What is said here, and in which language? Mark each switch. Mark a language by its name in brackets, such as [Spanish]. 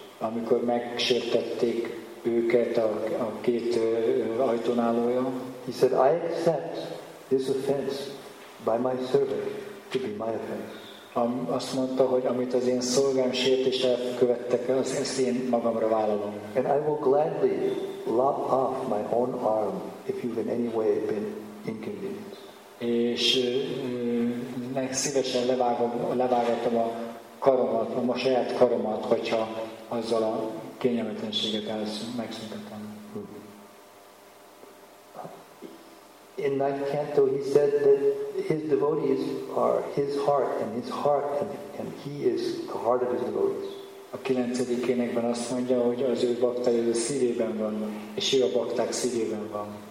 [Hungarian] Amikor megsértették őket a két ajtónálója. [English] He said, I accept this offense by my servant to be my offense. [Hungarian] Azt mondta, hogy amit az én szolgám sért és elkövettek, az ezt én magamra vállalom. [English] And I will gladly lop off my own arm if you've in any way been inconvenienced. [Hungarian] És meg szívesen levágatom a karomat, a saját karomat, hogyha azzal a kényelmetlenséget megszüntetem. [English] In that canto, he said that his devotees are his heart, and his heart, and he is the heart of his devotees. [Hungarian] A kilencedik énekben azt mondja, hogy az ő baktája a szívében van, és ő a bakták szívében van.